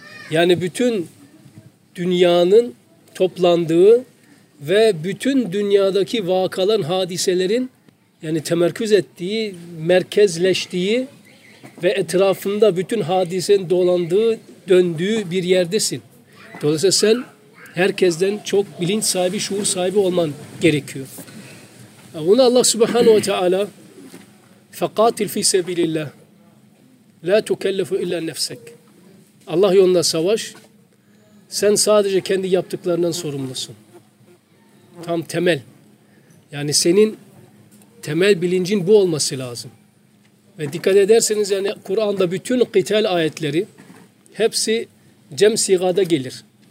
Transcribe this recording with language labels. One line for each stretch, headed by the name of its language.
Turkish: Yani bütün dünyanın toplandığı ve bütün dünyadaki vakaların, hadiselerin yani temerküz ettiği, merkezleştiği ve etrafında bütün hadisenin dolandığı, döndüğü bir yerdesin. Dolayısıyla sen herkesten çok bilinç sahibi, şuur sahibi olman gerekiyor. Bunu Allah Subhanahu ve Teala
Arabic: فَقَاتِلْ فِي سَبِيلِ اللّٰهِ لَا تُكَلَّفُ اِلَّا نَفْسَكَ.
Turkish: Allah yolunda savaş. Sen sadece kendi yaptıklarından sorumlusun. Tam temel. Yani senin temel bilincin bu olması lazım. Ve dikkat ederseniz yani Kur'an'da bütün kıtal ayetleri hepsi cem sigada gelir.